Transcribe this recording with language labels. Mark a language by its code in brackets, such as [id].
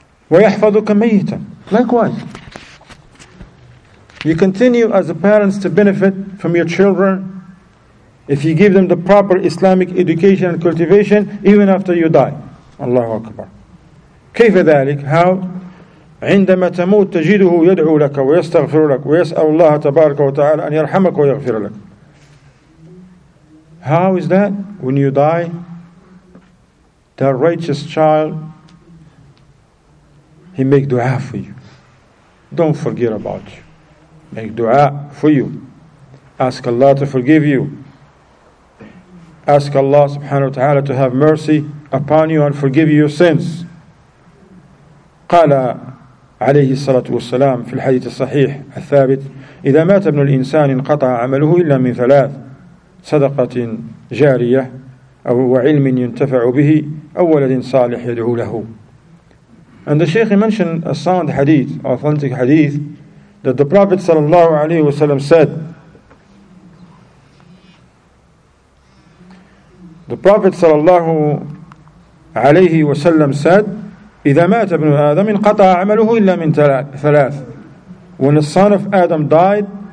[ar] وَيَحْفَظُكَ مَيْتًا. [en] Likewise, you continue as a parents to benefit from your children if you give them the proper Islamic education and cultivation even after you die. Allahu Akbar. [ar] كَيْفَ ذَلِكَ. [en] How? [ar] عندما تموت تجده يدعو لك ويستغفر لك ويسأل الله تبارك وتعالى أن يرحمك ويغفر لك. [en] How is that? When you die, the righteous child, he make dua for you. Don't forget about you. Make dua for you. Ask Allah to forgive you. Ask Allah subhanahu wa ta'ala to have mercy upon you and forgive your sins. [ar] قال عليه الصلاة والسلام في الحديث الصحيح الثابت إذا مات ابن الإنسان انقطع عمله إلا من ثلاث: صدقة جارية أو وعلم ينتفع به أو ولد صالح يدعو له. [en] And the Sheikh mentioned a sound hadith, authentic hadith, that the Prophet [ar] صلى الله عليه وسلم [en] said, the Prophet صلى الله عليه وسلم said, [ar] إذا مات ابن آدم انقطع عمله إلا من ثلاث. [en] When the son of Adam died,